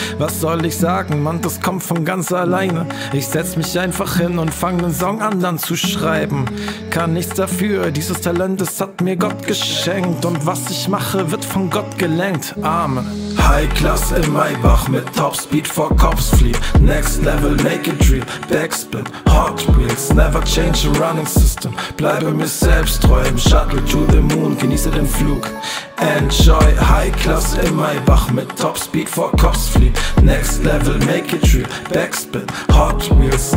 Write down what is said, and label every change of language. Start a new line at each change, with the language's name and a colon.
German: Was soll ich sagen, Mann, das kommt von ganz alleine. Ich setz mich einfach hin und fang nen Song an, dann zu schreiben. Kann nichts dafür, dieses Talent, das hat mir Gott geschenkt. Und was ich mache, wird von Gott gelenkt. Amen.
English: High Class
German: in Maybach mit Topspeed vor Cops flieht.
English: Next level, make it real, backspin, Hot Wheels. Never change your running system,
German: bleibe mir selbst treu. Im
English: Shuttle to the moon,
German: genieße den Flug.
English: Enjoy, High Class
German: in Maybach mit Topspeed vor Cops flieht.
English: Next level, make it real, backspin, Hot Wheels.